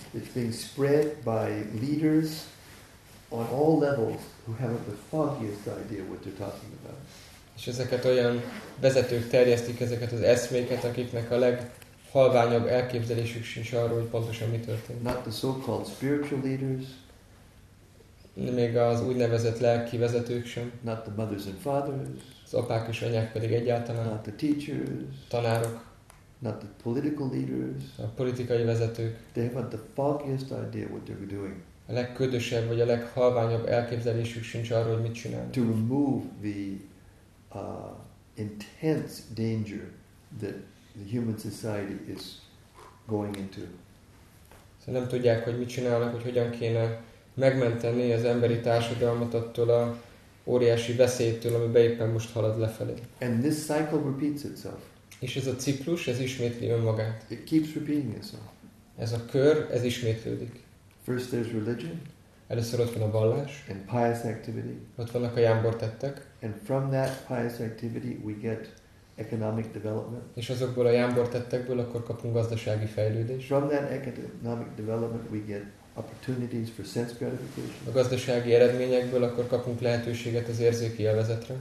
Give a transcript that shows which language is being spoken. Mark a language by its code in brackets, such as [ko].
[en] It's being spread by leaders on all levels who haven't the foggiest idea what they're talking about. [hu] És ezeket olyan vezetők terjesztik, ezeket az eszméket, akiknek a leghalványabb elképzelésük sincs arról, hogy pontosan mi történik. [en] Not the so-called spiritual leaders. [hu] Még az úgynevezett lelki vezetők sem. [en] Not the mothers and fathers. [hu] Az apák és anyák pedig egyáltalán. [en] Not the teachers. [hu] Tanárok. [en] Not the political leaders. [hu] A politikai vezetők. [en] They have the foggiest idea what they're doing. [hu] A legködösebb vagy a leghalványabb elképzelésük sincs arról, hogy mit csinálnak. [en] To remove the intense danger that the human society is going into. [hu] Szóval nem tudják, hogy mit csinálnak, hogy hogyan kéne megmenteni az emberi társadalmat attól a óriási veszélytől, ami éppen most halad lefelé. [en] And this cycle repeats itself. [hu] És ez a ciklus, ez ismétli önmagát. [en] It keeps repeating itself. [hu] Ez a kör, ez ismétlődik. [en] First there's religion. [hu] Először ott van a vallás. [en] And pious activity. [hu] Ott vannak a jámbor tettek. [en] And from that pious activity we get economic development. [hu] És azokból a jámbor tettekből akkor kapunk gazdasági fejlődést. [en] From that economic development we get opportunities for sense gratification. [hu] A gazdasági eredményekből akkor kapunk lehetőséget az érzéki élvezetre.